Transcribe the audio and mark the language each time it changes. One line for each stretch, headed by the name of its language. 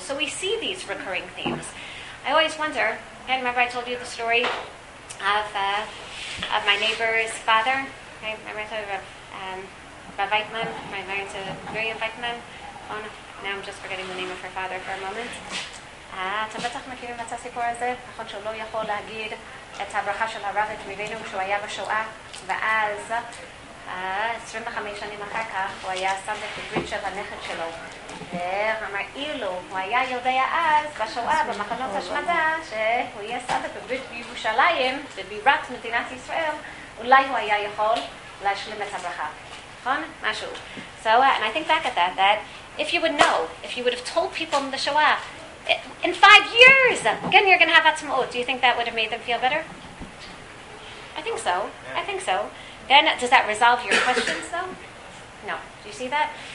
English: So we see these recurring themes. I always wonder, again, remember I told you the story of my neighbor's father, right? Remember I told you Rav Weichmann, my married to Miriam Weichmann. Oh, no. Now I'm just forgetting the name of her father for a moment.
Hebrew: אתה בטח מכירים את הסיפור הזה, נכון שהוא לא יכול להגיד את הברכה של הרב את מבינו כשהוא היה בשואה, ואז 25 שנים אחר כך הוא היה שם את הברית של הנכד שלו, ואמר אילו הוא היה יודע אז בשואה במחנות השמדה שהוא יהיה שם את הברית בירושלים, בבירת מדינת ישראל, אולי הוא היה יכול להשלים את הברכה. משהו.
English: So, and I think back at that if you would know, if you would have told people in the Shoah, in 5 years, again, you're going to have Atzmaut, do you think that would have made them feel better? I think so. Yeah. I think so. Again, does that resolve your questions, though? No. Do you see that?